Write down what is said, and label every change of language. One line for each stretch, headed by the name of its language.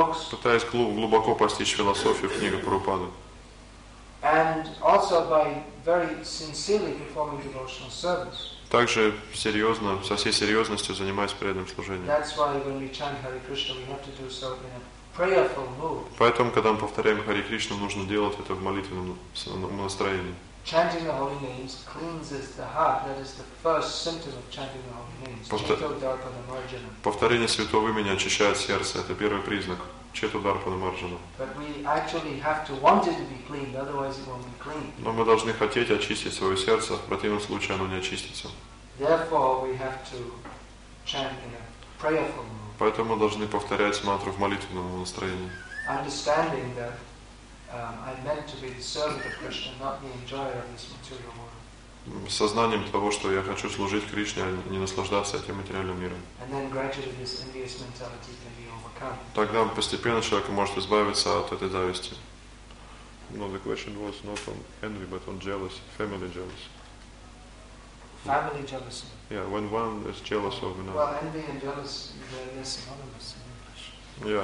Russian: Пытаясь глубоко постичь философию в книгах Прабхупады.
English: And also by very sincerely performing devotional service.
Russian: Также серьезно, со всей серьезностью занимаясь преданным служением.
English: That's why when we chant Hare Krishna, we have to do so in a prayerful mood.
Russian: Поэтому, когда мы повторяем Hare Krishna, нужно делать это в молитвенном настроении.
English: Chanting the holy names cleanses the heart. That is the first symptom of chanting the holy names.
Russian: Повторение святого имени очищает сердце. Это первый признак. Четударпанамарджана.
English: But we actually have to want it to be cleaned, otherwise it won't be clean.
Russian: Но мы должны хотеть очистить свое сердце, в противном случае оно не очистится.
English: Therefore we have to chant in a prayerful mood.
Russian: Поэтому мы должны повторять мантру в молитвенном настроении.
English: Understanding that I'm meant to be the servant of Krishna, not the enjoyer of this material world.
Russian: Сознанием того, что я хочу служить Кришне, а не наслаждаться этим материальным миром.
English: And then gradually this envious mentality can be overcome.
Russian: Тогда постепенно человек может избавиться от этой зависти. Но
English: the question was not on envy, but on jealousy, family jealousy. Family jealousy. Yeah, when one is jealous of another. Well, envy and jealousy, they're synonymous in English.